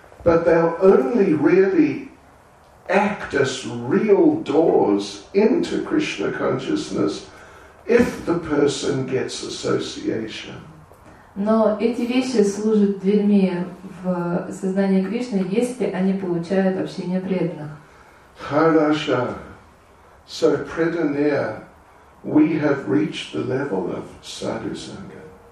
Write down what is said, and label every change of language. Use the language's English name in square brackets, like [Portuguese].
[English] But they'll only really act as real doors into Krishna consciousness if the person gets association. [Russian] Но эти вещи служат дверьми в сознание Кришны, если они получают общение преданных. Хорошо. [English] So, [Russian] преданные, [English] we have reached the level of sadhu sangha.